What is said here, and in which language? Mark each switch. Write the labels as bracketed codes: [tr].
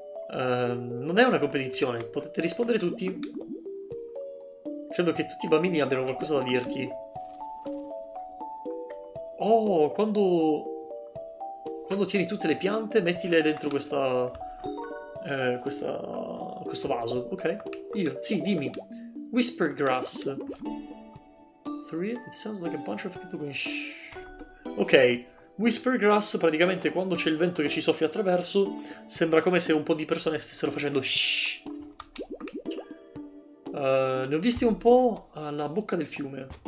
[it] Non è una competizione, potete rispondere tutti. Credo che tutti i bambini abbiano qualcosa da dirti. Oh, quando tieni tutte le piante, mettile dentro questo vaso, ok? Io, sì, dimmi. Whisper grass. [en] Three, it sounds like a bunch of people going shh. [it] Ok, whisper grass, praticamente quando c'è il vento che ci soffia attraverso, sembra come se un po' di persone stessero facendo shh. Ne ho visti un po' alla bocca del fiume.